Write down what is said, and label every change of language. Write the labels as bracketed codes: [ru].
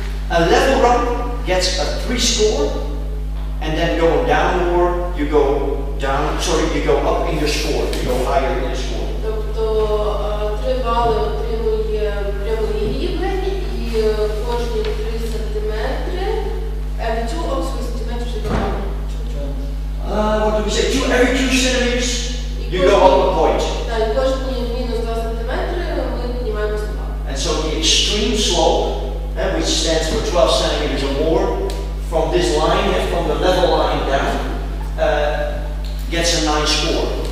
[en] A level rub gets a 3 score, and then going downward, you go down, sorry, you go up in your score, you go higher in your score. [uk] Тобто, 3 бали отримує прямий рівень, і кожні 3 сантиметри, [en] every 2 of 3 [uk] сантиметри, чи [en] what do we say, two, every 2 centimeters, you go up a point. [uk] Так, кожні мінус 2 сантиметри, ми піднімаємося два. [en] And so the extreme slope, which stands for 12 centimeters or more, from this line and from the level line down, gets a 9 score.